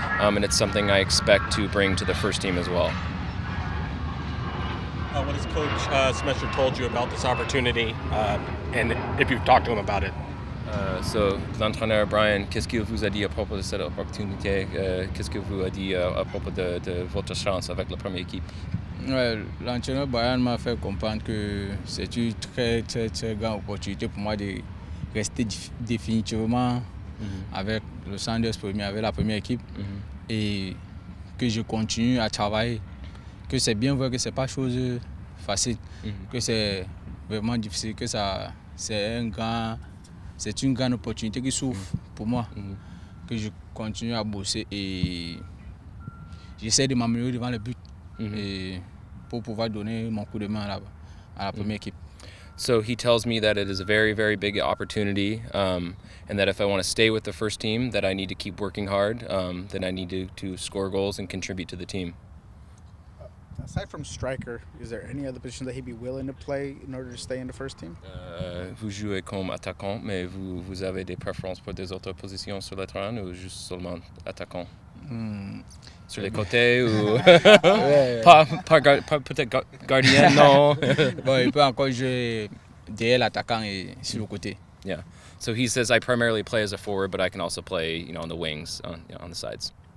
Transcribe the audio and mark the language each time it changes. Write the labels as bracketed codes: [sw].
[en] And it's something I expect to bring to the first team as well. What has Coach Smetscher told you about this opportunity, and if you've talked to him about it? [fr] So, l'entraîneur Brian, qu'est-ce qu'il vous a dit à propos de cette opportunité? Qu'est-ce qu'il vous a dit à propos de votre chance avec la première équipe? Ouais, l'entraîneur Brian m'a fait comprendre que c'est une très, très, très grande opportunité pour moi de rester définitivement mm-hmm. avec le Sanders premier, avec la première équipe, mm-hmm. et que je continue à travailler. Que c'est bien vrai que c'est pas chose facile, mm-hmm. que c'est vraiment difficile, que ça c'est une grande opportunité qui s'ouvre mm-hmm. pour moi, mm-hmm. que je continue à bosser et j'essaie de m'améliorer devant le but mm-hmm. et pour pouvoir donner mon coup de main à la première mm-hmm. équipe. [en] So he tells me that it is a very, very big opportunity, and that if I want to stay with the first team, that I need to keep working hard, that I need to score goals and contribute to the team. Aside from striker, is there any other position that he'd be willing to play in order to stay in the first team? [fr] Vous jouez comme attaquant, mais vous avez des préférences pour des autres positions sur le terrain ou juste seulement attaquant? Sur les côtés ou pas peut-être gardien, non. Bon, il peut encore jouer derrière l'attaquant et sur le côté. [en] Yeah. So he says I primarily play as a forward, but I can also play, you know, on the wings, on the sides.